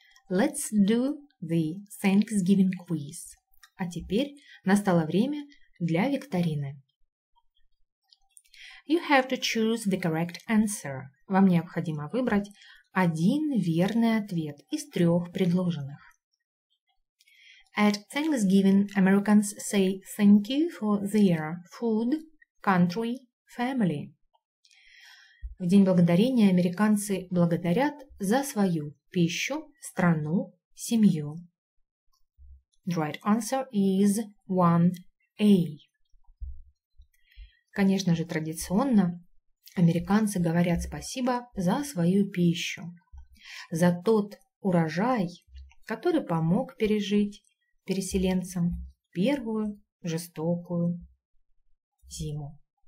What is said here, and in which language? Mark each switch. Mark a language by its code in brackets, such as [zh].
[en] Let's do the Thanksgiving quiz. [ru] А теперь настало время для викторины. [en] You have to choose the correct answer. [ru] Вам необходимо выбрать один верный ответ из трех предложенных. [en] At Thanksgiving, Americans say thank you for their food, country, family. [ru] В День Благодарения американцы благодарят за свою пищу, страну, семью. [en] The right answer is 1A. [ru] Конечно же, традиционно американцы говорят спасибо за свою пищу, за тот урожай, который помог пережить переселенцам первую жестокую зиму.